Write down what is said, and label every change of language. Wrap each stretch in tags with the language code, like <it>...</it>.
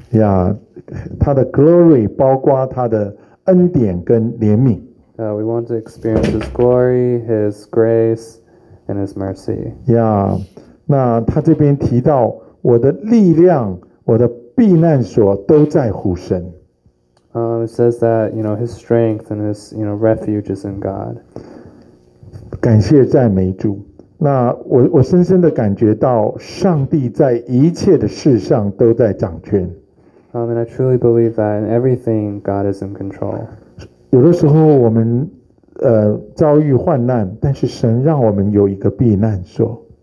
<zh>Yeah, 他的 glory 包括他的恩典跟怜悯。</zh> <en>We want to experience his glory, his grace, and his mercy.</en> <zh>Yeah, 那他这边提到我的力量，我的避难所都在乎神。</zh> <en>It says that, you know, his strength and his, you know, refuge is in God.</en> <zh>感谢赞美主。那我深深的感觉到上帝在一切的事上都在掌权。</zh> <en>And I truly believe that in everything God is in control.</en> <zh>有的时候我们遭遇患难，但是神让我们有一个避难所。</zh>